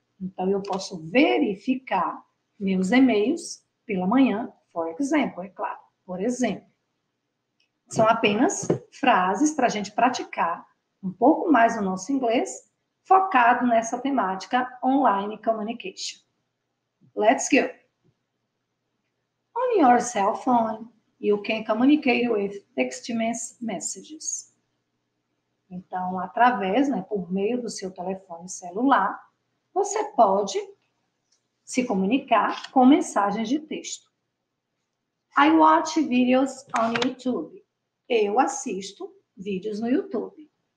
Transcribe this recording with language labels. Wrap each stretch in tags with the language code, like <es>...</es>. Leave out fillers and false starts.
<pt>Então, eu posso verificar meus e-mails pela manhã,</pt> <en>for example,</en> <pt>é claro. Por exemplo, são apenas frases para a gente praticar um pouco mais o nosso inglês, focado nessa temática online communication.</pt> <en>Let's go. On your cell phone, you can communicate with text messages.</en> <pt>Então, através, né, por meio do seu telefone celular, você pode se comunicar com mensagens de texto.</pt> <en>I watch videos on YouTube.</en> <pt>Eu assisto vídeos no YouTube.</pt>